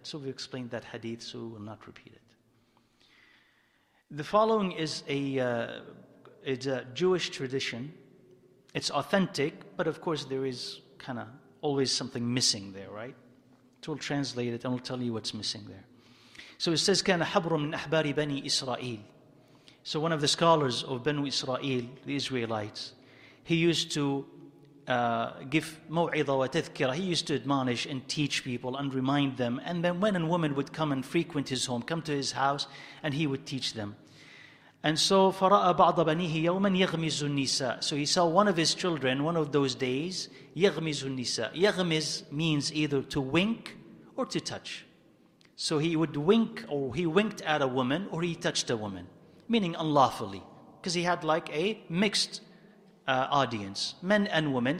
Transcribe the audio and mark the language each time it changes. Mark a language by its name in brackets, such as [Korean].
[English] So we explained that hadith, so we will not repeat it. The following is a Jewish tradition. It's authentic, but of course there is kind of always something missing there, right? So we'll translate it and we'll tell you what's missing there. So it says, [Arabic] كان حبر من أحبار بني إسرائيل. [English] So one of the scholars of Banu Israel, the Israelites, he used to give maw'idha wa tadhkira. He used to admonish and teach people and remind them. And then men and women would come and frequent his home, come to his house, and he would teach them. And so, [Arabic] فَرَأَ بَعْضَ بَنِيهِ يَوْمًا يَغْمِزُ النِّسَى. [English] So he saw one of his children, one of those days, [Arabic] يَغْمِزُ النِّسَى. [English] يَغْمِز means either to wink or to touch. So he would wink, or he winked at a woman, or he touched a woman. Meaning unlawfully, because he had like a mixed audience, men and women.